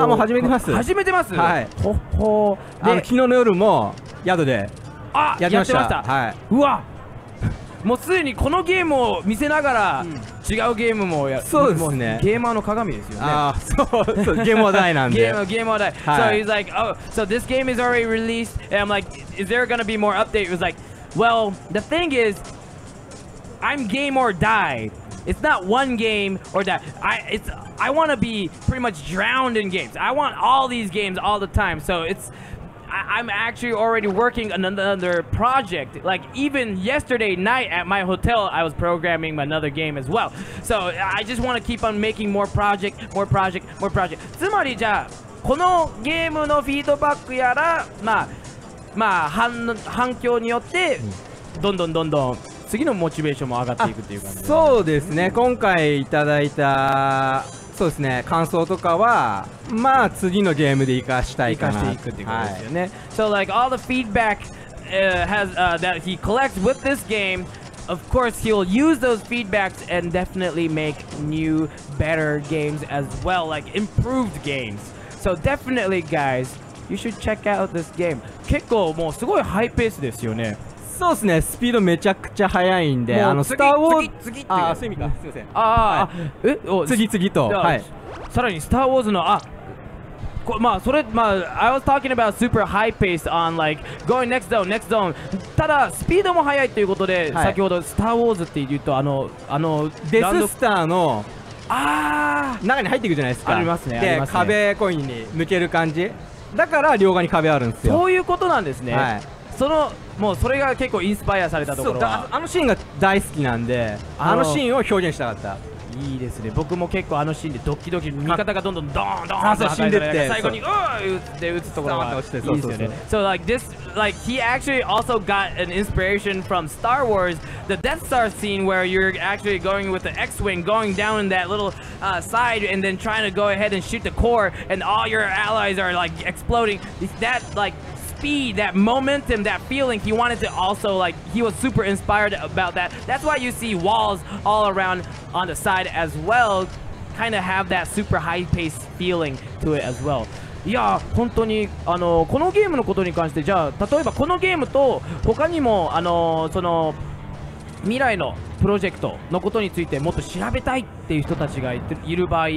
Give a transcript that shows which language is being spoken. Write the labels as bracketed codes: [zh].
[ja] あ、もう始めてます、はい、ほっほー。 で、昨日の夜も宿でやってました。はい、うわ、もうすでにこのゲームを見せながら、うん、違うゲームもやる。そうですね、ゲーマーの鏡ですよね。あ、そうゲーム話題なんで。ゲーム話題、はい、 [en] So he's like, oh, so this game is already released and I'm like, is there gonna be more update? He was like, well, the thing is I'm game or die. It's not one game or that. I wanna be pretty much drowned in games. I want all these games all the time. So it'sI'm actually already working on another project. Like, even yesterday night at my hotel, I was programming another game as well. So, I just want to keep on making more project. [ja] つまりじゃあ、このゲームのフィードバックやら、まあ、反響によって、どんどん、次のモチベーションも上がっていくっていう感じ。そうですね、今回いただいた、そうですね、感想とかはまあ次のゲームで生かしたいかな、生かしていくっていうことですよね、はい、 [en] So like all the feedback that he collects with this game, of course he'll use those feedbacks and definitely make new better games as well, like improved games. So definitely guys, you should check out this game. [ja] 結構もうすごいハイペースですよね。そうですね、スピードめちゃくちゃ速いんで、スターウォーズ、次っていう、あ、そういう意味か、すいません、次と、はい、さらにスターウォーズの、まあそれ、まあ [en] I was talking about super high pace on like going next zone、 [ja] ただスピードも速いということで、はい、先ほどスターウォーズって言うとデススターの、ああ、中に入っていくじゃないですか。ありますね、で、壁コインに抜ける感じだから両側に壁あるんですよ。そういうことなんですね、はい、そのもうそれが結構インスパイアされたところは、あのシーンが大好きなんで、あのシーンを表現したかった。いいですね、僕も結構あのシーンでドキドキ、味方がどんどんって、死んでって、最後にうーって打つところがいいですよね。そう、 [en] So like this, like he actually also got an inspiration from Star Wars, the Death Star scene where you're actually going with the X-Wing going down that little side and then trying to go ahead and shoot the core and all your allies are like exploding. Is that likeSpeed, that momentum, that feeling, he wanted to also, like, he was super inspired about that. That's why you see walls all around on the side as well, kind of have that super high paced feeling to it as well. [ja] いや、本当にこのゲームのことに関して、じゃあ例えばこのゲームと他にもその未来のプロジェクトのことについてもっと調べたいっていう人たちがいる場合、